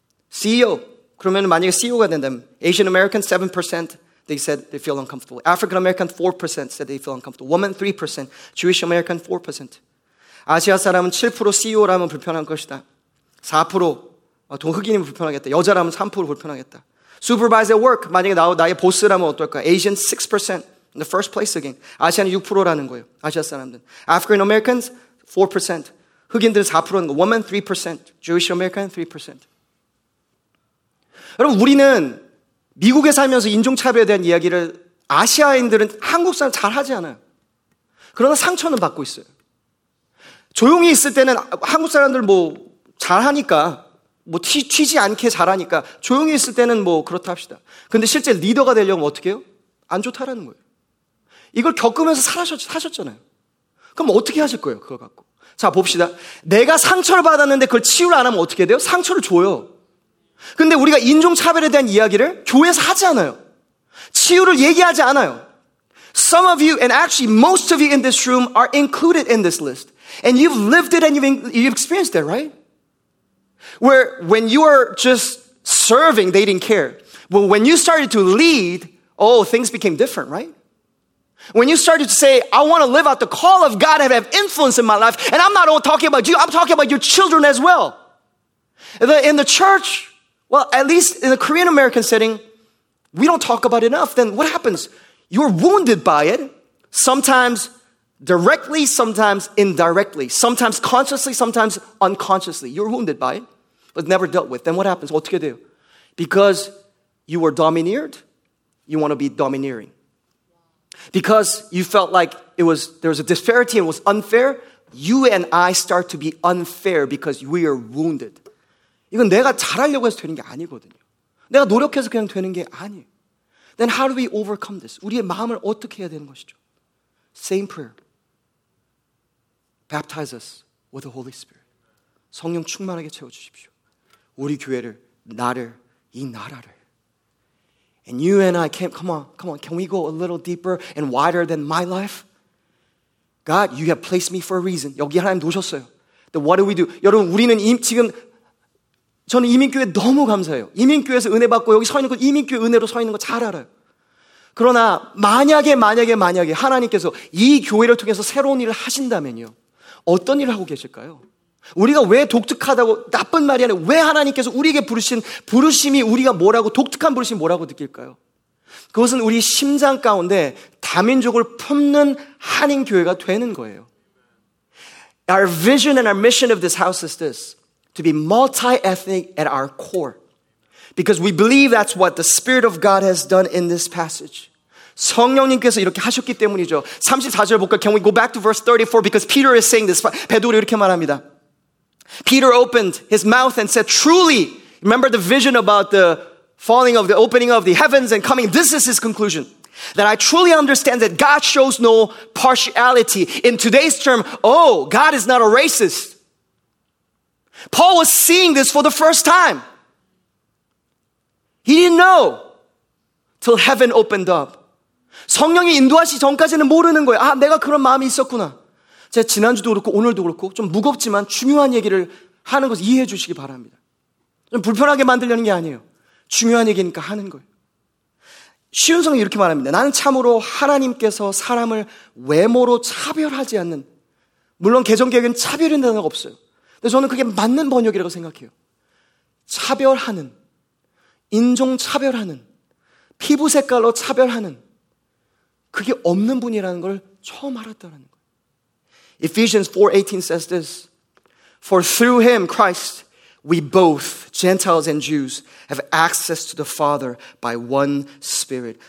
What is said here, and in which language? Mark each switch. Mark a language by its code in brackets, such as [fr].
[en] CEO, [ko] 그러면 만약에 CEO가 된다면 [en] Asian American 7%, they said they feel uncomfortable. African American 4% said they feel uncomfortable. Woman 3%, Jewish American 4%. [ko] 아시아 사람은 7% CEO라면 불편할 것이다. 4% 흑인이면 불편하겠다. 여자라면 3% 불편하겠다. [en] Supervisor work, [ko] 만약에 나의 보스라면 어떨까? [en] Asian 6% in the first place again. [ko] 아시아는 6%라는 거예요. 아시아 사람들. [en] African Americans 4%, [ko] 흑인들은 4%인 거. [en] Woman 3%, Jewish American 3%. [ko] 여러분 우리는 미국에 살면서 인종차별에 대한 이야기를 아시아인들은 한국 사람 잘하지 않아요. 그러나 상처는 받고 있어요. 조용히 있을 때는 한국 사람들 뭐 잘하니까 뭐 튀지 않게 잘하니까 조용히 있을 때는 뭐 그렇다 합시다. 근데 실제 리더가 되려면 어떻게 해요? 안 좋다라는 거예요. 이걸 겪으면서 사셨잖아요. 그럼 어떻게 하실 거예요? 그거 갖고. 자 봅시다. 내가 상처를 받았는데 그걸 치유를 안 하면 어떻게 돼요? 상처를 줘요. 근데 우리가 인종차별에 대한 이야기를 교회에서 하지 않아요. 치유를 얘기하지 않아요. [en] Some of you, and actually most of you in this room are included in this list. And you've lived it and you've experienced it, right? Where when you are just serving, they didn't care. But when you started to lead, oh, things became different, right? When you started to say, I want to live out the call of God and have influence in my life, and I'm not all talking about you, I'm talking about your children as well. In the church, well, at least in the Korean-American setting, we don't talk about it enough. Then what happens? You're wounded by it, sometimes directly, sometimes indirectly, sometimes consciously, sometimes unconsciously. You're wounded by it, but never dealt with. Then what happens? [ko] 어떻게 돼요? [en] Because you were domineered, you want to be domineering. Because you felt like there was a disparity and it was unfair, you and I start to be unfair because we are wounded. [ko] 이건 내가 잘하려고 해서 되는 게 아니거든요. 내가 노력해서 그냥 되는 게 아니에요. [en] Then how do we overcome this? [ko] 우리의 마음을 어떻게 해야 되는 것이죠? [en] Same prayer. Baptize us with the Holy Spirit. [ko] 성령 충만하게 채워주십시오. 우리 교회를, 나를, 이 나라를. [en] And you and I, come on, can we go a little deeper and wider than my life? God, you have placed me for a reason. [ko] 여기 하나님 놓으셨어요. [en] Then what do we do? [ko] 여러분, 우리는 지금 저는 이민교회 너무 감사해요. 이민교회에서 은혜 받고 여기 서 있는 거 이민교회 은혜로 서 있는 거 잘 알아요. 그러나 만약에 하나님께서 이 교회를 통해서 새로운 일을 하신다면요. 어떤 일을 하고 계실까요? 우리가 왜 독특하다고 나쁜 말이 아니라 왜 하나님께서 우리에게 부르신 부르심이 우리가 뭐라고 독특한 부르심이 뭐라고 느낄까요? 그것은 우리 심장 가운데 다민족을 품는 한인교회가 되는 거예요. [en] Our vision and our mission of this house is this. to be multi-ethnic at our core. Because we believe that's what the Spirit of God has done in this passage. [ko] 성령님께서 이렇게 하셨기 때문이죠. 34절 볼까? [en] Can we go back to verse 34? Because Peter is saying this. [ko] 베드로 이렇게 말합니다. [en] Peter opened his mouth and said, truly, remember the vision about the falling of the opening of the heavens and coming. This is his conclusion. That I truly understand that God shows no partiality. In today's term, oh, God is not a racist. Paul was seeing this for the first time. He didn't know till heaven opened up. [ko] 성령이 인도하시 전까지는 모르는 거예요. 아, 내가 그런 마음이 있었구나. 제가 지난주도 그렇고 오늘도 그렇고 좀 무겁지만 중요한 얘기를 하는 것을 이해해 주시기 바랍니다. 좀 불편하게 만들려는 게 아니에요. 중요한 얘기니까 하는 거예요. 쉬운 성이 이렇게 말합니다. 나는 참으로 하나님께서 사람을 외모로 차별하지 않는, 물론 개정개혁은 차별이라는 단어가 없어요. 근데 저는 그게 맞는 번역이라고 생각해요. 차별하는, 인종차별하는, 피부 색깔로 차별하는, 그게 없는 분이라는 걸 처음 알았다는 거예요. [en] Ephesians 4:18 says this, For through him, Christ, we both, Gentiles and Jews, have access to the Father by one Spirit.